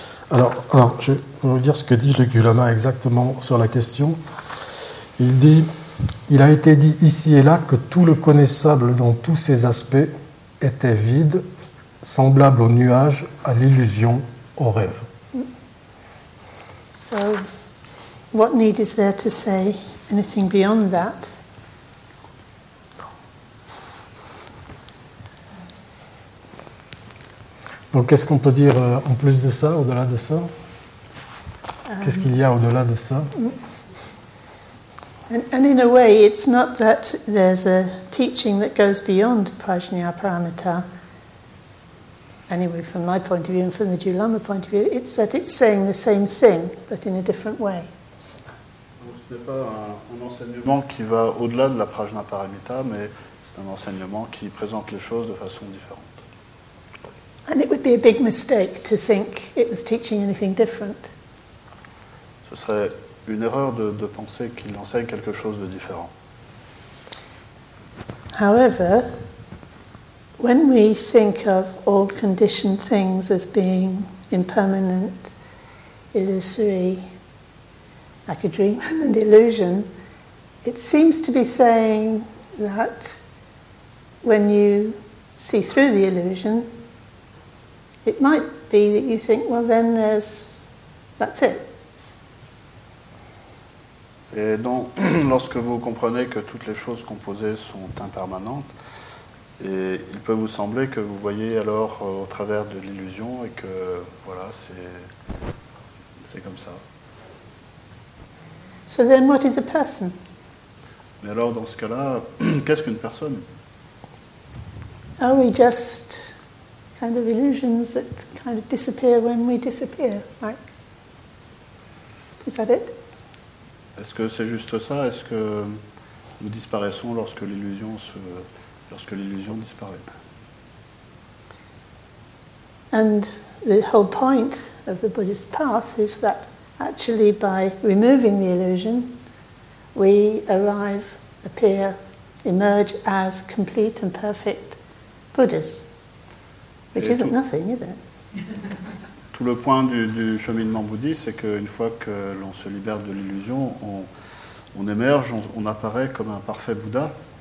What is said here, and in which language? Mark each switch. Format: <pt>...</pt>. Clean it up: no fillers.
<fr>Alors je vais vous dire ce que dit le Gulama exactement sur la question. Il dit: il a été dit ici et là que tout le connaissable dans tous ses aspects était vide, semblable au nuage, à l'illusion, au rêve.</fr> <en>So, What need is there to say anything beyond that?</en> <fr>Donc, qu'est-ce qu'on peut dire en plus de ça, au-delà de ça? Qu'est-ce qu'il y a au-delà de ça?</fr> <en>And in a way, it's not that there's a teaching that goes beyond Prajnaparamita. Anyway, from my point of view and from the Dulama point of view, it's that it's saying the same thing, but in a different way.</en> <fr>Donc, ce n'est pas un enseignement qui va au-delà de la Prajnaparamita, mais c'est un enseignement qui présente les choses de façon différente.</fr> <en>And it would be a big mistake to think it was teaching anything different.</en> <fr>Ce serait une erreur de penser qu'il enseigne quelque chose de différent.</fr> <en>However, when we think of all conditioned things as being impermanent, illusory, like a dream and an illusion, it seems to be saying that when you see through the illusion, it might be that you think, well, then there's, that's it.</en> <fr>Et donc, lorsque vous comprenez que toutes les choses composées sont impermanentes, et il peut vous sembler que vous voyez alors au travers de l'illusion et que, voilà, c'est comme ça.</fr> <en>So then what is a person?</en> <fr>Mais alors, dans ce cas-là, qu'est-ce qu'une personne?</fr> <en>Are we just kind of illusions that kind of disappear when we disappear, like, is that it?</en> <fr>Est-ce que c'est juste ça? Est-ce que nous disparaissons lorsque l'illusion disparaît?</fr> <en>And the whole point of the Buddhist path is that actually by removing the illusion, we arrive, appear, emerge as complete and perfect Buddhas. Which isn't nothing, is it?</en> <fr>Tout le point du cheminement bouddhiste, c'est qu'une fois que l'on se libère de l'illusion, on émerge, on apparaît comme un parfait Bouddha.</fr>